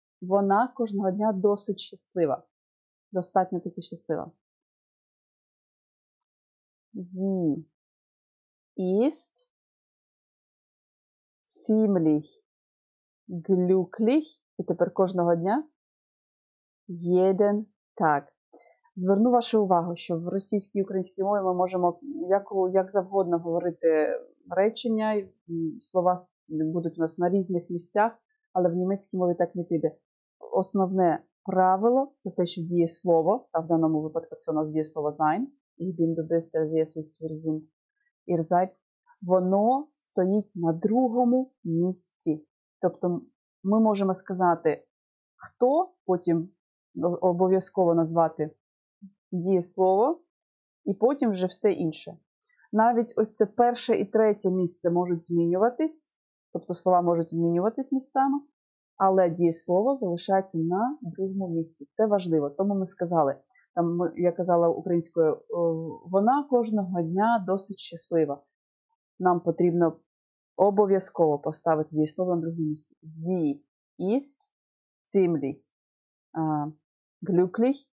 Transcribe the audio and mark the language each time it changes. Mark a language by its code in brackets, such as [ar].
[uk] Вона кожного дня досить щаслива. Достатньо таки щаслива. [de] Sie ist ziemlich glücklich. [uk] І тепер кожного дня. [de] Jeden Tag. [uk] Зверну вашу увагу, що в російській і українській мові ми можемо як завгодно говорити речення, слова будуть у нас на різних місцях, але в німецькій мові так не піде. Основне правило – це те, що діє слово, а в даному випадку це у нас діє слово «sein», [de] «ich bin du bist, als jetzt ist wir sind, ihr seid», [uk] воно стоїть на другому місці. Тобто ми можемо сказати «хто», потім обов'язково назвати дієслово, і потім вже все інше. Навіть ось це перше і третє місце можуть змінюватись, тобто слова можуть змінюватись місцями, але дієслово залишається на другому місці. Це важливо. Тому ми сказали, там я казала українською, вона кожного дня досить щаслива. Нам потрібно обов'язково поставити дієслово на другому місці. [de] Sie ist ziemlich glücklich.